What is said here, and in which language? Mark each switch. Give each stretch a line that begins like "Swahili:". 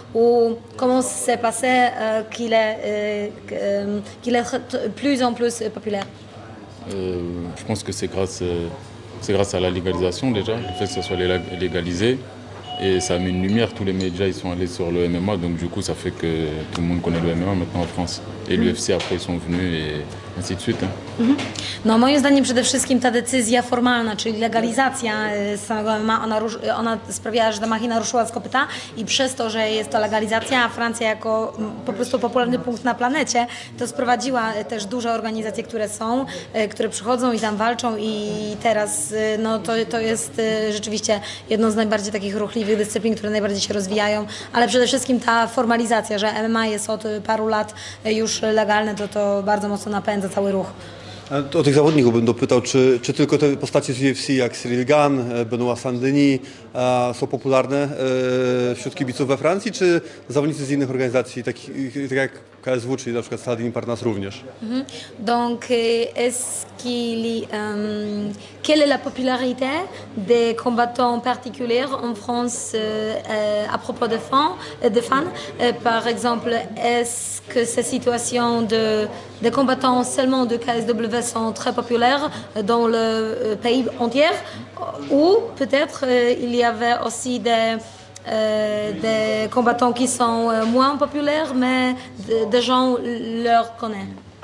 French: Ou comment s'est passé qu'il est qu'il est plus en plus populaire. Je pense que c'est grâce à la légalisation déjà, le fait que ce soit légalisé. Et ça a mis une lumière, tous les médias ils sont allés sur le MMA, donc du coup ça fait que tout le monde connaît le MMA maintenant en France. Et l'UFC après ils sont venus et ainsi de suite. Hein. Mm-hmm.
Polish: No, moim zdaniem przede wszystkim ta decyzja formalna, czyli legalizacja samego MMA, ona sprawiała, że ta machina ruszyła z kopyta i przez to, że jest to legalizacja, a Francja jako po prostu popularny punkt na planecie, to sprowadziła też duże organizacje, które są, które przychodzą i tam walczą i teraz no, to jest rzeczywiście jedno z najbardziej takich ruchliwych dyscyplin, które najbardziej się rozwijają, ale przede wszystkim ta formalizacja, że MMA jest od paru lat już legalne, to bardzo mocno napędza cały ruch. O tych zawodników bym dopytał, czy tylko te postacie z UFC jak Cyril Gane, Benoît Saint-Denis są popularne wśród kibiców we Francji, czy zawodnicy z innych organizacji, tak jak KSW, czyli na przykład Stade Montparnasse również? Mm-hmm.
French: Donc, est-ce qu'il y, quelle est la popularité des combattants particuliers en France à propos de fans, par exemple, est-ce que cette situation de combattants seulement de KSW sont très populaires dans le pays entier, ou peut-être il y avait aussi des combattants qui sont moins populaires, mais des gens leur connaissent.